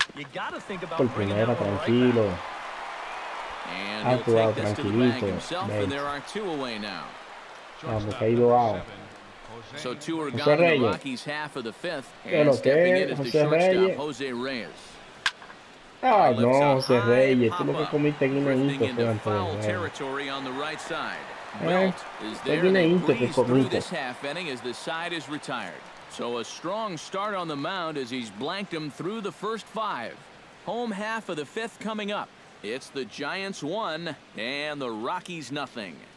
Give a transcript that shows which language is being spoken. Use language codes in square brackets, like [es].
[en] You got to think about [es] por primera, tranquilo. [en] And he'll take this to the bank himself, and there are two away now. [es] Vamos, que ha ido out. [en] So two are gone in the Rockies' half of the fifth, and stepping in is the shortstop, Jose Reyes. [es] Ah, no, Jose Reyes, tú lo que comiste en un momento fue antes de ver. [en] Territory on the right side. Belt is there, and he breezed through this half inning as the side is retired. So a strong start on the mound as he's blanked him through the first five. Home half of the fifth coming up. It's the Giants 1 and the Rockies nothing.